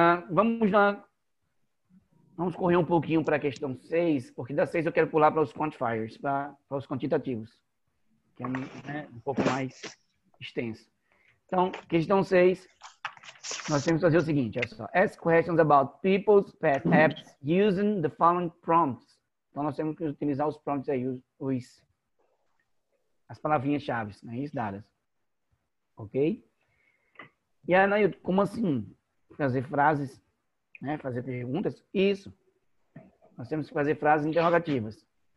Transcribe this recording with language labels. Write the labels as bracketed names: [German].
[Portuguese] Vamos correr um pouquinho para a questão 6, porque da 6 eu quero pular para os quantifiers, para os quantitativos, que é, né, um pouco mais extenso. Então, questão 6, nós temos que fazer o seguinte, olha só. [English] Ask questions about people's pet apps using the following prompts. [Portuguese] Então, nós temos que utilizar os prompts aí, as palavrinhas-chave, né, as dadas. Ok? E aí, Nayu, como assim fazer frases... Né, fazer perguntas, isso. Nós temos que fazer frases interrogativas.